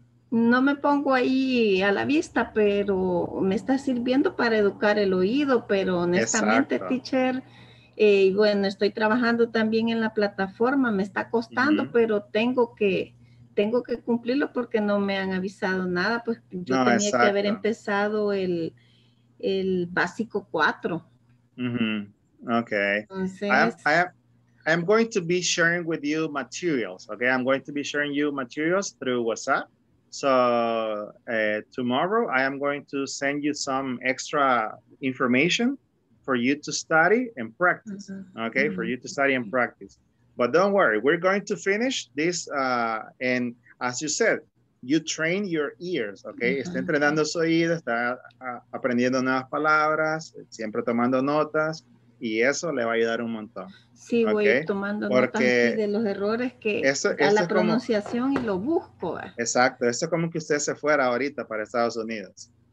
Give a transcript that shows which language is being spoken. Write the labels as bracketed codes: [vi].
[es] No me pongo ahí a la vista, pero me está sirviendo para educar el oído, pero honestamente, exacto, teacher, bueno, estoy trabajando también en la plataforma, me está costando, mm-hmm, pero tengo que cumplirlo porque no me han avisado nada, pues yo no, tenía, exacto, que haber empezado el básico 4. Mm-hmm. Okay. [en] Entonces, I'm going to be sharing with you materials, okay? I'm going to be sharing you materials through WhatsApp. So tomorrow I am going to send you some extra information for you to study and practice, mm-hmm, okay? Mm-hmm. For you to study and practice. But don't worry, we're going to finish this. And as you said, you train your ears, okay? [es] Mm-hmm. Está entrenando su oído, está aprendiendo nuevas palabras, siempre tomando notas, y eso le va a ayudar un montón. Sí, okay? Voy tomando porque notas de los errores que eso a la pronunciación como, y lo busco. Exacto, eso es como que usted se fuera ahorita para Estados Unidos.